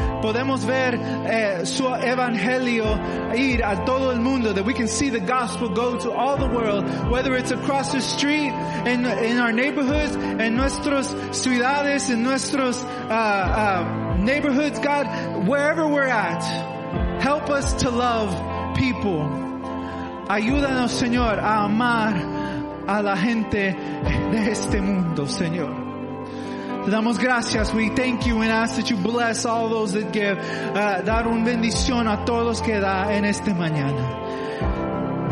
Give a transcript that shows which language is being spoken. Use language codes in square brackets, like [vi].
[es] Podemos ver su evangelio ir a todo el mundo, [en] that we can see the gospel go to all the world, whether it's across the street, in our neighborhoods, in [es] nuestras ciudades, [en] in [es] nuestros [en] neighborhoods, God, wherever we're at, help us to love people. [es] Ayúdanos, Señor, a amar a la gente de este mundo, Señor. Damos gracias. [en] We thank you and ask that you bless all those that give. [es] Dar un bendición a todos que da en este mañana.